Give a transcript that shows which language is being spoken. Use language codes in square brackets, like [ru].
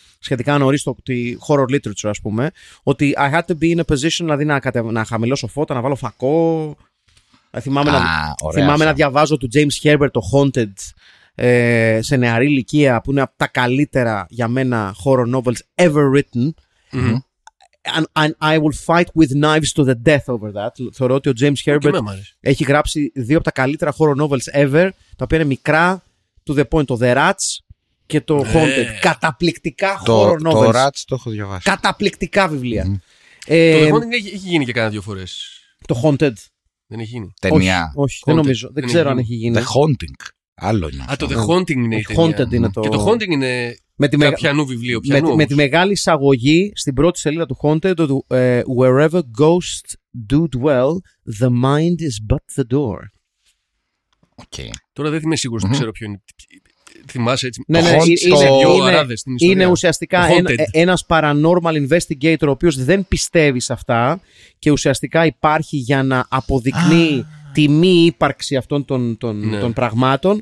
[el] Σχετικά νωρίς τη horror literature, ας πούμε, ότι [en] I had to be in a position, [el] δηλαδή να χαμηλώσω φώτα, να βάλω φακό. Θυμάμαι να διαβάζω του James Herbert το Haunted σε νεαρή ηλικία, που είναι από τα καλύτερα για μένα [en] horror novels ever written. And I will fight with knives to the death over that. [el] Θεωρώ ότι ο James Herbert έχει γράψει δύο από τα καλύτερα [en] horror novels ever, [el] τα οποία είναι μικρά, [en] to the point, [el] το The Rats. Και το Haunted. Καταπληκτικά horror novels. Το Rats το έχω διαβάσει. Καταπληκτικά βιβλία. Το Haunted έχει γίνει και κάνα δύο φορές. Το Haunted. Δεν έχει γίνει. Ταινιά. Όχι, όχι. Δεν νομίζω. Δεν ξέρω αν έχει γίνει. The Haunting. Άλλο είναι. Α, το The Haunting είναι. Το Haunted είναι το. Και το Haunting είναι. Πιανού βιβλίο. Με τη μεγάλη εισαγωγή στην πρώτη σελίδα του Haunted. [en] Wherever ghosts do dwell, the mind is but the door. [el] Οκ. Τώρα δεν είμαι σίγουρος, δεν ξέρω ποιο είναι. Θυμάσαι έτσι. Ναι, ναι, είναι ουσιαστικά ένας paranormal investigator ο οποίος δεν πιστεύει σε αυτά και ουσιαστικά υπάρχει για να αποδεικνύει τη μη ύπαρξη αυτών των πραγμάτων.